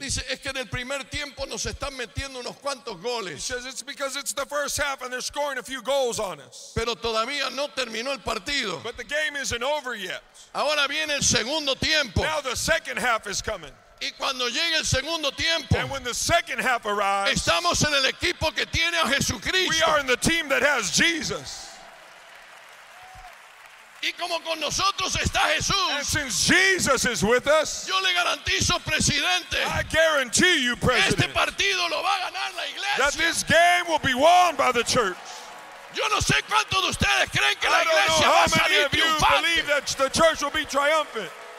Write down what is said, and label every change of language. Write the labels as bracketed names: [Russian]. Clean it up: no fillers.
[Spanish] Dice, es que en el primer tiempo nos están metiendo unos cuantos goles. [English] He says, it's because it's the first half and they're scoring a few goals on us. [Spanish] Pero todavía no terminó el partido. [English] But the game isn't over yet. [Spanish] Ahora viene el segundo tiempo. [English] Now the second half is coming. [Spanish] Y cuando llega el segundo tiempo, [English] and when the second half arrives, [Spanish] estamos en el equipo que tiene a Jesucristo. [English] We are in the team that has Jesus. [Spanish] Y como con nosotros está Jesús, [English] and since Jesus is with us, [Spanish] yo le garantizo, presidente, [English] I guarantee you, president, [Spanish] este partido lo va a ganar la iglesia, [English] that this game will be won by the church. [Spanish] Yo no sé cuántos de ustedes creen que la iglesia va a salir triunfante. [English] I don't know how many of you believe that the church will be triumphant.